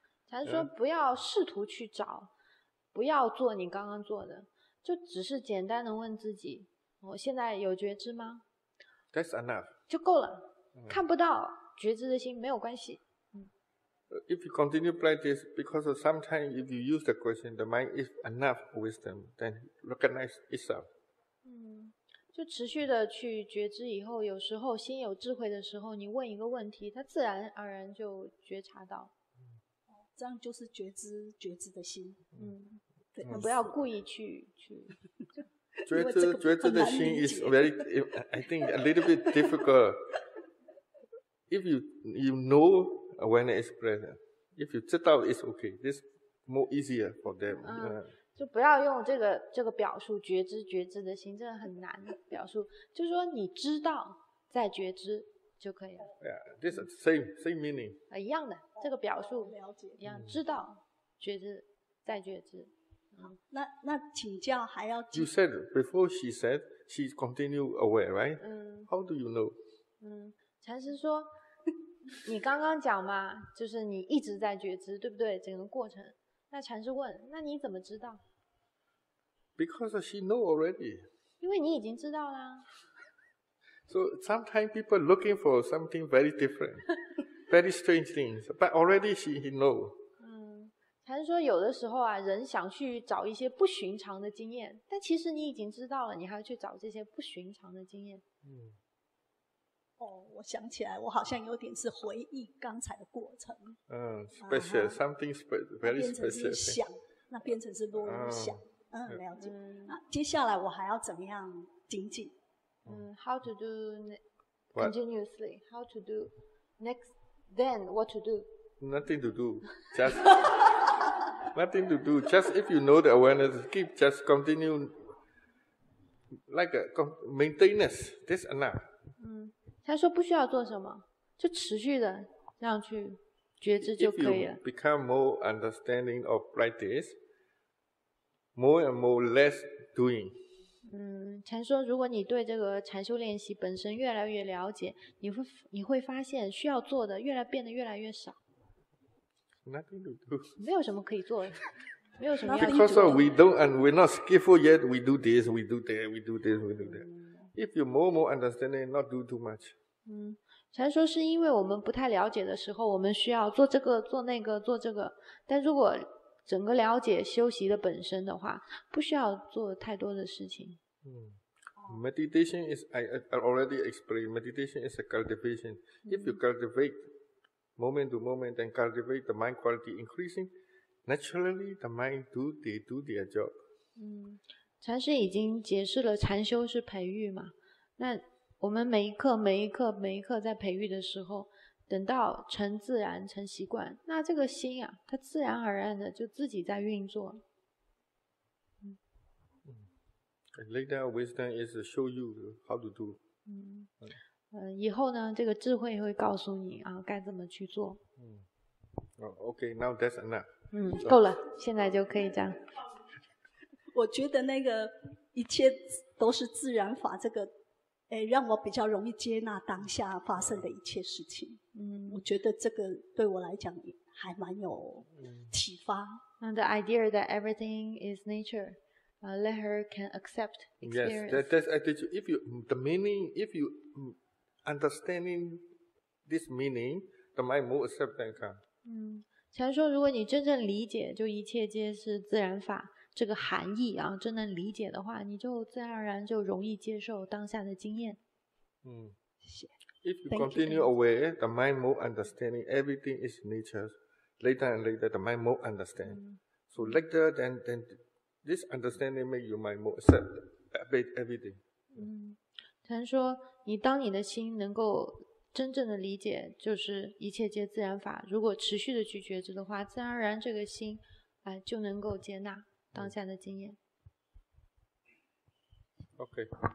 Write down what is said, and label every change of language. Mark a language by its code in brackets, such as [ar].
[zh] 禅师说不要试图去找，不要做你刚刚做的，就只是简单的问自己，我现在有觉知吗？ [en] That's enough. [zh] 就够了，看不到觉知的心没有关系。 [en] If you continue like this, because sometimes if you use the question, the mind is enough wisdom, then recognize itself. [zh] 就持续的去觉知以后，有时候心有智慧的时候，你问一个问题，它自然而然就觉察到。这样就是觉知觉知的心，对，不要故意去觉知觉知的心 [en] is very I think a little bit difficult. If you know awareness is present, if you [zh] 知道 [en] is okay, this more easier for them. [zh] 就不要用这个表述觉知觉知的心，真的很难表述，就是说你知道在觉知就可以了。 [en] Yeah, this is same meaning. [zh] 一样的。这个表述了解一样，知道觉知再觉知。那请教还要 [en] ？You said before she said she continue aware, right? How do you know? [zh] 禅师说，你刚刚讲嘛，就是你一直在觉知，对不对？整个过程。那禅师问，那你怎么知道 [en] ？Because she know already. [zh] 因为你已经知道啦。 So sometimes people looking for something very different. Very strange things, but already he know. 禅师说有的时候啊，人想去找一些不寻常的经验，但其实你已经知道了，你还要去找这些不寻常的经验。我想起来，我好像有点是回忆刚才的过程。 [en] Special, something special, very special. [zh] 变成是想，那变成是落入想。了解。那接下来我还要怎么样精进？ [en] How to do continuously?、 What? How to do next? Then what to do? Nothing to do. Just nothing to do. Just if you know the awareness, keep just continue like a maintenance. That's enough. [zh] 他说不需要做什么，就持续的这样去觉知就可以了。 [en] If you become more understanding of practice, more and more less doing. [zh] 禅说如果你对这个禅修练习本身越来越了解，你会发现需要做的越来变得越来越少。 [en] Nothing to do. [zh] 没有什么可以做的。没有什么要做的。 [en] Because we don't and we're not skillful yet, we do this, we do that, we do this, we do that. If you more understanding, not do too much. [zh] 禅说是因为我们不太了解的时候，我们需要做这个做那个做这个，但如果整个了解修习的本身的话，不需要做太多的事情。 [en] Meditation is, I already explained, meditation is a cultivation. If you cultivate moment to moment and cultivate the mind quality increasing, naturally the mind do their job. [zh] 禅师已经解释了禅修是培育嘛，那我们每一刻每一刻每一刻在培育的时候，等到成自然成习惯，那这个心啊，它自然而然的就自己在运作。 [en] Later wisdom is show you how to do. [zh] 以后呢，这个智慧会告诉你啊，该怎么去做。 [en] Okay, now that's enough. [zh] 够了，现在就可以这样。我觉得那个一切都是自然法，这个让我比较容易接纳当下发生的一切事情。我觉得这个对我来讲还蛮有启发。 [en] And the idea that everything is nature. Let her can accept experience. Yes, that's attitude. If you, the meaning, if you understanding this meaning, the mind more accept than come. [zh] 禅说如果你真正理解就一切皆是自然法这个含义啊，真能理解的话，你就自然而然就容易接受当下的经验。谢谢。 [en] If you continue aware, the mind more understanding everything is nature. Later and later, the mind more understand. So later, then This understanding make your mind more accept everything. [zh] 禅说，你当你的心能够真正的理解，就是一切皆自然法。如果持续的去觉知的话，自然而然这个心，就能够接纳当下的经验。 [en] Okay.